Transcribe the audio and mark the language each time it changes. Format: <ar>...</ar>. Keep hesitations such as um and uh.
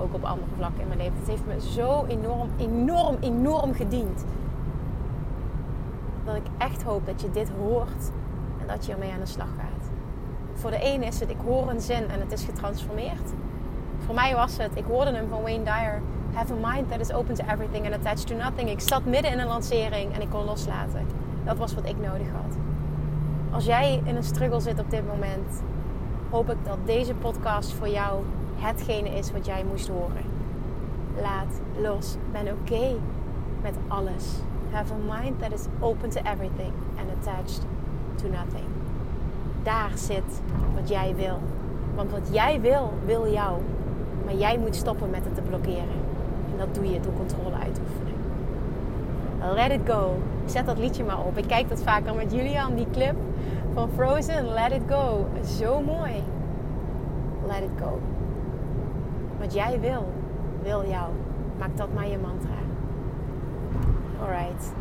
<nl>Ook op andere vlakken in mijn leven. Het heeft me zo enorm, enorm, enorm gediend. Dat ik echt hoop dat je dit hoort. En dat je ermee aan de slag gaat. Voor de ene is het, ik hoor een zin en het is getransformeerd. Voor mij was het, ik hoorde hem van Wayne Dyer.</nl> <en>Have a mind that is open to everything and attached to nothing.</en> <nl>Ik zat midden in een lancering en ik kon loslaten. Dat was wat ik nodig had. Als jij in een struggle zit op dit moment, hoop ik dat deze podcast voor jou hetgene is wat jij moest horen. Laat los. Ben oké okay met alles.</nl> <en>Have a mind that is open to everything and attached to nothing.</en> <nl>Daar zit wat jij wil. Want wat jij wil, wil jou. Maar jij moet stoppen met het te blokkeren. En dat doe je door controle uit te oefenen.</nl> <en>Let it go.</en> <nl>Ik zet dat liedje maar op. Ik kijk dat vaak al met Julian, die clip van Frozen, Let It Go. Zo mooi. Let It Go. Wat jij wil, wil jou. Maak dat maar je mantra. Alright.</nl>